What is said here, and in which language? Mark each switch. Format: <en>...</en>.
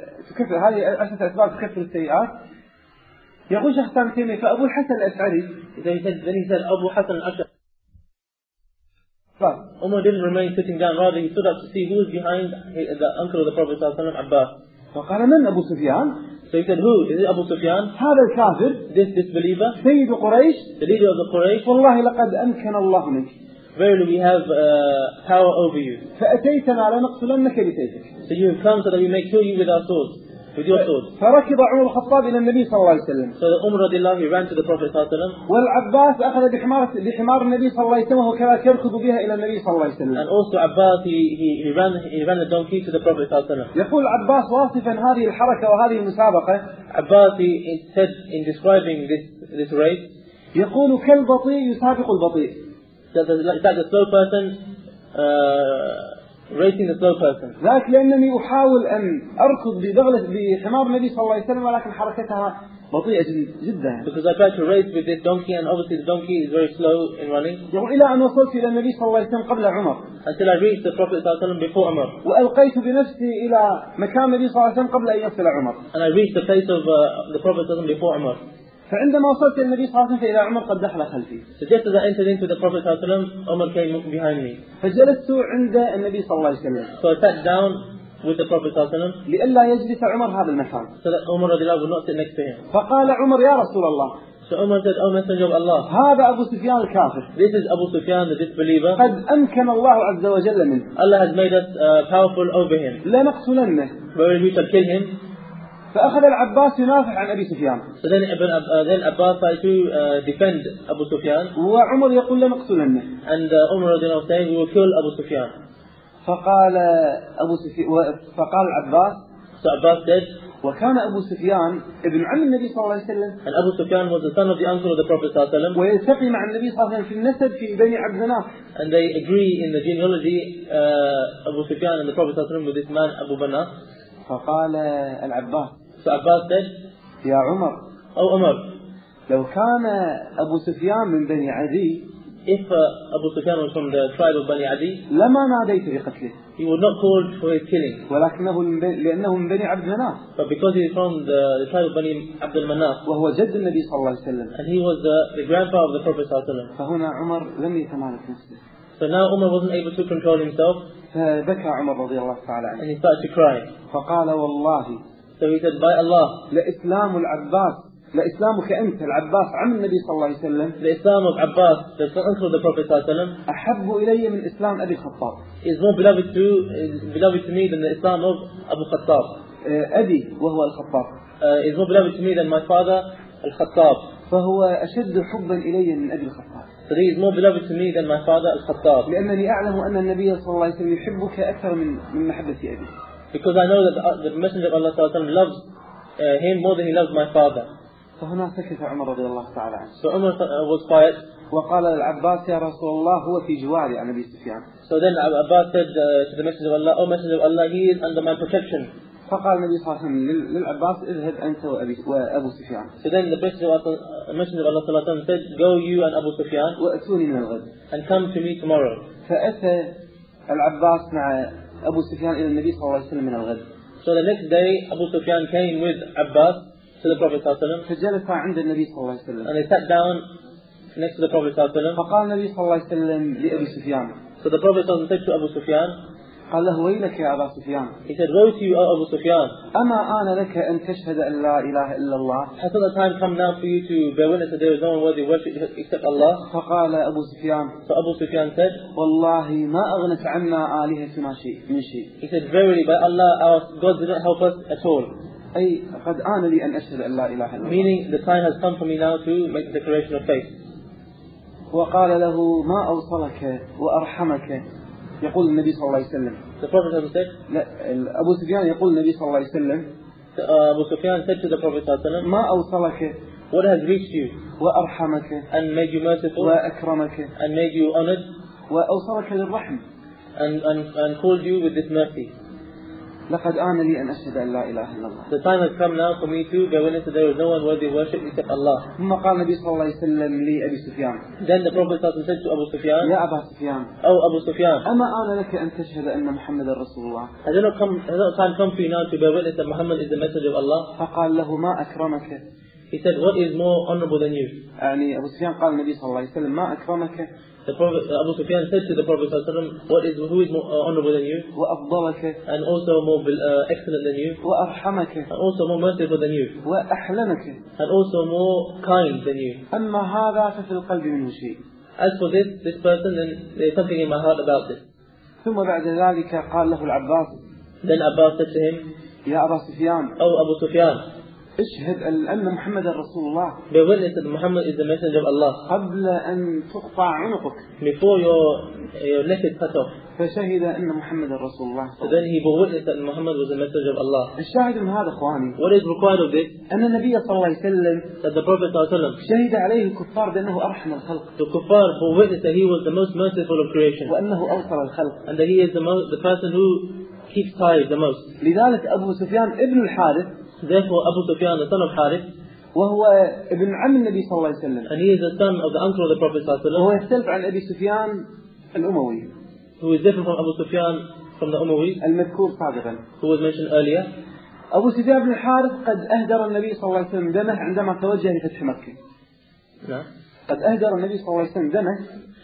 <ar>تكفر هذه أساس أسباب تكفر السيئات. يقول شيخ الإسلام تيمية فأبو الحسن الأشعري إذا مثل أبو حسن الأشعري</ar> <en>Umar didn't remain sitting down, rather he stood up to see who was behind the uncle of the Prophet صلى الله عليه وسلم, Abbas.</en> <ar>فقال من أبو سفيان؟</ar> <en>So he said, who? Is it Abu Sufyan?</en> <ar>هذا الكافر.</ar> <en>This disbeliever.</en> <ar>سيد قريش.</ar> <en>The leader of the Quraysh.</en> <ar>والله لقد أمكن الله منك.</ar> <en>Verily we have power over you.</en> <ar>فأتيتنا لنقتلنك بسيفك.</ar> <en>So you have come so that we may kill you with our swords. With your swords.</en> <ar>فركض عمر الخطاب إلى النبي صلى الله عليه وسلم.</ar> <en>So the Umar radiallahu anhu ran to the Prophet صلى الله عليه وسلم.</en> <ar>والعباس أخذ بحمار النبي صلى الله عليه وسلم وهو كذلك يركض بها إلى النبي صلى الله عليه وسلم.</ar> <en>And also Abbas he ran the donkey to the Prophet صلى الله عليه وسلم.</en> <ar>يقول عباس واصفا هذه الحركة وهذه المسابقة.</ar> <en>Abbas he said in describing this race.</en> <ar>يقول كالبطيء يسابق البطيء.</ar> <en>That the slow person racing the slow person.</en> <ar>ذلك لأنني أحاول أن أركض بدغلة بحمار النبي صلى الله عليه وسلم ولكن حركتها بطيئة جدا.</ar> <en>Because I try to race with this donkey and obviously the donkey is very slow in running.</en> <ar>إلى أن وصلت إلى النبي صلى الله عليه وسلم قبل عمر.</ar> <en>Until I reached the Prophet صلى الله عليه وسلم before عمر.</en> <ar>وألقيت بنفسي إلى مكان النبي صلى الله عليه وسلم قبل أن يصل عمر.</ar> <en>And I reached the place of the Prophet صلى الله عليه وسلم before عمر.</en> <ar>فعندما وصلت إلى النبي صلى الله عليه وسلم فإذا عمر قد دخل خلفي.</ar> <en>So just as I entered into the Prophet صلى الله عليه وسلم, عمر came behind me.</en> <ar>فجلست عند النبي صلى الله عليه وسلم.</ar> <en>So I sat down with the Prophet صلى الله عليه وسلم.</en> <ar>لئلا يجلس عمر هذا المكان.</ar> <en>So that Umar رضي الله عنه would not sit next to him.</en> <ar>فقال عمر يا رسول الله.</ar> <en>So Umar said, oh Messenger of Allah.</en> <ar>هذا أبو سفيان الكافر.</ar> <en>This is Abu Sufyan the disbeliever.</en> <ar>قد أمكن الله عز وجل منه.</ar> <en>Allah has made us powerful over him.</en> <ar>لنقتلنه.</ar> <en>But we shall kill him.</en> <ar>فأخذ العباس ينافع عن أبي سفيان.</ar> <en>So then Abbas tried to defend Abu Sufyan.</en> <ar>وعمر يقول لم اقتلنه.</ar> <en>And Umar رضي الله عنه saying we will kill Abu Sufyan.</en> <ar>فقال أبو سفيان فقال العباس.</ar> <en>So Abbas said.</en> <ar>وكان أبو سفيان ابن عم النبي صلى الله عليه وسلم.</ar> <en>And Abu Sufyan was the son of the uncle of the Prophet صلى الله عليه وسلم.</en> <ar>ويلتقي مع النبي صلى الله عليه وسلم في النسب في بني عبد مناف.</ar> <en>And they agree in the genealogy Abu Sufyan and the Prophet صلى الله عليه وسلم with this man Abu Banah.</en> <ar>فقال العباس.</ar> <en>So Abbas said,</en> <ar>يا عمر. أو عمر. لو كان أبو سفيان من بني عدي.</ar> <en>If Abu Sufyan was from the tribe of Bani Adi.</en> <ar>لما ناديت بقتله.</ar> <en>He would not call for his killing.</en> <ar>ولكنه لأنه من بني عبد مناف.</ar> <en>But because he is from the tribe of Bani عبد المناف.</en> <ar>وهو جد النبي صلى الله عليه وسلم.</ar> <en>And he was the grandfather of the Prophet صلى الله عليه وسلم.</en> <ar>فهنا عمر لم يتمالك نفسه.</ar> <en>So now Umar wasn't able to control himself.</en> <ar>فبكى عمر رضي الله تعالى عنه.</ar> <en>And he started to cry.</en> <ar>فقال والله.</ar> <en>So he said, by Allah.</en> <ar>لإسلام العباس. لإسلامك أنت العباس عم النبي صلى الله عليه وسلم. لإسلام العباس.</ar> <en>The son of the Prophet</en> <ar>صلى الله عليه وسلم. أحب إلي من إسلام أبي خطاب.</ar> <en>Is more beloved to me than the Islam of Abu Khattab.</en> <ar>أبي وهو الخطاب.</ar> <en>Is more beloved to me than my father, الخطاب.</en> <ar>فهو أشد حبا إلي من أبي الخطاب.</ar> <en>So he is more beloved to me than my father, Al-Khattab.</en> <ar>لأنني أعلم أن النبي صلى الله عليه وسلم يحبك أكثر من محبة أبي.</ar> <en>because I know that the Messenger of Allah Sallallahu Alaihi Wasallam loves him more than he loves my father.</en> <ar>فهنا سكت عمر رضي الله تعالى عنه.</ar> <en>So Umar was quiet.</en> <ar>وقال للعباس يا رسول الله هو في جواري عن أبي سفيان.</ar> <en>So then Abbas said to the Messenger of Allah, O Messenger of Allah, he is under my protection.</en> <ar>فقال النبي صلى الله عليه وسلم للعباس اذهب أنت وأبو سفيان.</ar> <en>So then the Messenger of Allah صلى الله عليه وسلم said, go you and Abu Sufyan.</en> <ar>وأتوني من الغد.</ar> <en>And come to me tomorrow.</en> <ar>فأتى العباس مع أبو سفيان إلى النبي صلى الله عليه وسلم من الغد.</ar> <en>So the next day Abu Sufyan came with Abbas to the Prophet صلى الله عليه وسلم.</en> <ar>فجلس عند النبي صلى الله عليه وسلم.</ar> <en>And they sat down next to the Prophet صلى الله عليه وسلم.</en> <ar>فقال النبي صلى الله عليه وسلم لأبي سفيان.</ar> <en>So the Prophet صلى الله عليه وسلم said to Abu Sufyan.</en> <ar>قال له ويلك يا أبا سفيان.</ar> <en>He said, woe to you, O Abu Sufyan.</en> <ar>أما أنا لك أن تشهد أن لا إله إلا الله.</ar> <en>Has the time come now for you to bear witness that there is no one worthy worship except Allah?</en> <ar>فقال أبو سفيان.</ar> <en>So Abu Sufyan said,</en> <ar>والله ما أغنت عنا آلهتنا شيء من شيء.</ar> <en>He said, verily by Allah, our God did not help us at all.</en> <ar>أي قد آن لي أن أشهد أن لا إله إلا الله.</ar> <en>Meaning the time has come for me now to make the declaration of faith.</en> <ar>وقال له ما أوصلك وأرحمك. يقول النبي صلى الله عليه وسلم.</ar> <en>The Prophet صلى الله عليه</en> <ar>وسلم. أبو سفيان يقول النبي صلى الله عليه وسلم.</ar> <en>أبو سفيان said to the Prophet صلى الله عليه وسلم.</en> <ar>ما أوصلك.</ar> <en>What has reached you.</en> <ar>وأرحمك.</ar> <en>And made you merciful.</en> <ar>وأكرمك.</ar> <en>And made you honored.</en> <ar>وأوصلك للرحم.</ar> <en>And called you with this mercy.</en> <ar>لقد آن لي أن أشهد أن لا إله إلا الله.</ar> <en>The time has come now for me to bear witness that there is no one worthy of worship except Allah.</en> <ar>ثم قال النبي صلى الله عليه وسلم لأبي سفيان.</ar> <en>Then the Prophet صلى الله عليه وسلم said to Abu Sufyan.</en> <ar>يا أبا سفيان. أو أبو سفيان. أما آن لك أن تشهد أن محمد رسول الله.</ar> <en>Has not time come for you now to bear witness that Muhammad is the Messenger of Allah.</en> <ar>فقال له ما أكرمك.</ar> <en>He said, what is more honorable than you?</en> <ar>يعني أبو سفيان قال النبي صلى الله عليه وسلم ما أكرمك.</ar> <en>The Prophet Abu Sufyan said to the Prophet صلى الله عليه وسلم, "What is who is more honorable than you?</en> <ar>وأفضلك,</ar> <en>and also more excellent than you?</en> <ar>وأرحمك,</ar> <en>and also more merciful than you?</en> <ar>وأحلمك,</ar> <en>and also more kind than you?"</en> <ar>أما هذا ففي القلب منه شيء.</ar> <en>As for this person, then there's something in my heart about this.</en> <ar>ثم بعد ذلك قال له العباس.</ar> <en>Then Abbas said to him,</en> <ar>"يا أبا سفيان."</ar> <en>Oh, Abu Sufyan.</en> <ar>اشهد أن محمد رسول الله.</ar> <en>Be witness that Muhammad is the messenger of Allah.</en> <ar>قبل أن تقطع عنقك.</ar> <en>Before your neck is cut off.</en> <ar>فشهد أن محمد رسول الله.</ar> <en>So then he be witness that Muhammad was the messenger of Allah.</en> <ar>الشاهد من هذا إخواني.</ar> <en>What is required of this?</en> <ar>أن النبي صلى الله عليه وسلم.</ar> <en>That the Prophet صلى الله عليه وسلم.</en> <ar>شهد عليه الكفار بأنه أرحم الخلق.</ar> <en>The kuffar be witness that he was the most merciful of creation.</en> <ar>وأنه أوطر الخلق.</ar> <en>And that he is the person who keeps tithe the most.</en> <ar>لذلك أبو سفيان ابن الحارث.</ar> <en>Therefore, Abu Sufyan, the son of Harith,</en> <ar>وهو ابن عم النبي صلى الله عليه وسلم,</ar> <en>and he is the son of the uncle of the Prophet صلى الله عليه وسلم,</en> <ar>وهو يختلف عن أبي سفيان الأموي,</ar> <en>who is different from Abu Sufyan from the Umawi,</en> <ar>المذكور سابقا,</ar> <en>who was mentioned earlier.</en> <ar>أبو سفيان بن حارث قد أهدر النبي صلى الله عليه وسلم دمه عندما توجه لفتح مكة. نعم. قد أهدر النبي صلى الله عليه وسلم دمه.</ar>